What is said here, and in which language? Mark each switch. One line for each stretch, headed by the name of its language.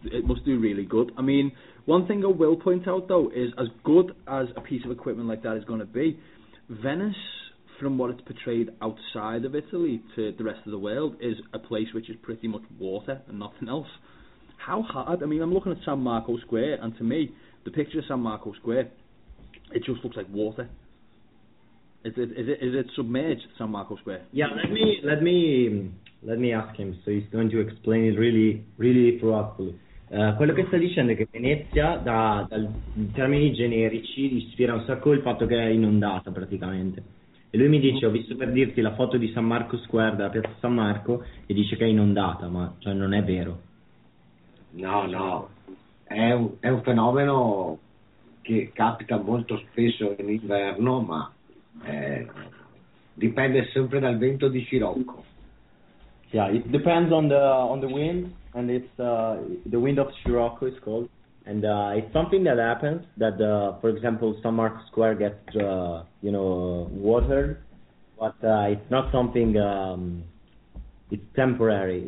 English: It must do really good. I mean, one thing I will point out, though, is as good as a piece of equipment like that is going to be, Venice, from what it's portrayed outside of Italy to the rest of the world, is a place which is pretty much water and nothing else. How hard? I mean, I'm looking at San Marco Square, and to me, the picture of San Marco Square, it just looks like water. Is it submerged, San Marco Square? Yeah, let me ask him, so he's going to explain it really, really thoroughly.
Italian: Quello che sta dicendo è che Venezia, in termini generici, ispira un sacco il fatto che è inondata praticamente. E lui mi dice, ho visto per dirti la foto di San Marco Square, della piazza San Marco, e dice che è inondata, ma cioè non è vero. No, è un fenomeno che capita molto spesso in inverno, ma dipende sempre dal vento di Scirocco.
English: Yeah, it depends on the wind, and it's the wind of Scirocco is called, and it's something that happens that for example San Marco Square gets watered, but it's not something it's temporary.